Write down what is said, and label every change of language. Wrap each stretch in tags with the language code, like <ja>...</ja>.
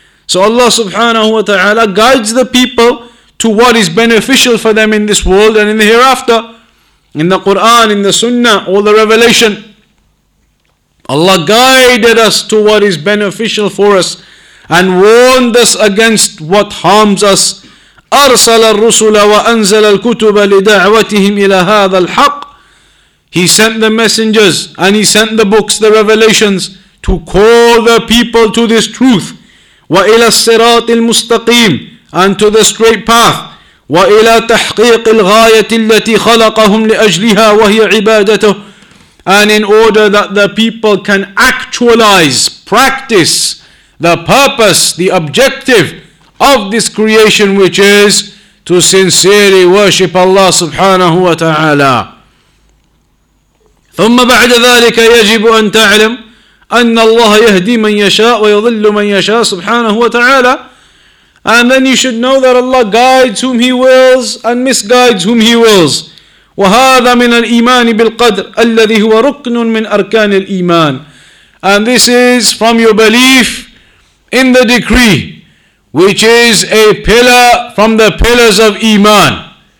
<en>So Allah subhanahu wa ta'ala guides the people to what is beneficial for them in this world and in the hereafter. In the Quran, in the Sunnah, all the revelation, Allah guided us to what is beneficial for us and warned us against what harms us.</en> <ar>أرسل الرسل وأنزل الكتب لدعوتهم إلى هذا الحق.</ar> <en>He sent the messengers and He sent the books, the revelations, to call the people to this truth.</en> <ar>وإلى الصراط المستقيم,</ar> <en>and to the straight path.</en> <ar>وإلى تحقيق الغاية التي خلقهم لأجلها وهي عبادته.</ar> <en>And in order that the people can actualize, practice the purpose, the objective of this creation, which is to sincerely worship Allah subhanahu wa ta'ala.</en> <ar>ثم بعد ذلك يجب أن تعلم أن الله يهدي من يشاء ويضل من يشاء سبحانه وتعالى.</ar> <en>And then you should know that Allah guides whom He wills and misguides whom He wills.</en> <ar>وَهَذَا مِنَ الْإِيمَانِ بِالْقَدْرِ الَّذِي هُوَ رُكْنٌ مِنْ أَرْكَانِ الْإِيمَانِ.</ar> <en>And this is from your belief in the decree, which is a pillar from the pillars of Iman.</en>